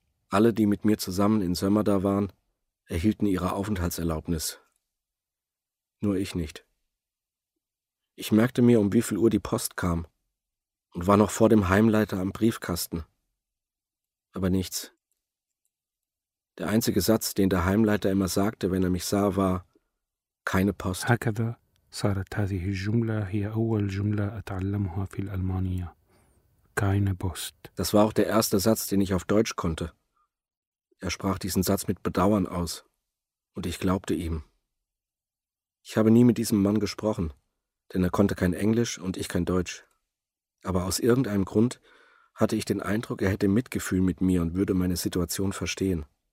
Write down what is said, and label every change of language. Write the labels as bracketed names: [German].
[German] Alle, die mit mir zusammen in Sömmerda waren, erhielten ihre Aufenthaltserlaubnis. Nur ich nicht. Ich merkte mir, um wie viel Uhr die Post kam und war noch vor dem Heimleiter am Briefkasten. Aber nichts. Der einzige Satz, den der Heimleiter immer sagte, wenn er mich sah, war: Keine Post. [Arabic] هكذا صارت هذه الجملة هي أول جملة أتعلمها في الألمانية. [German] Keine Post. Das war auch der erste Satz, den ich auf Deutsch konnte. Er sprach diesen Satz mit Bedauern aus und ich glaubte ihm. Ich habe nie mit diesem Mann gesprochen, denn er konnte kein Englisch und ich kein Deutsch. Aber aus irgendeinem Grund hatte ich den Eindruck, er hätte Mitgefühl mit mir und würde meine Situation verstehen.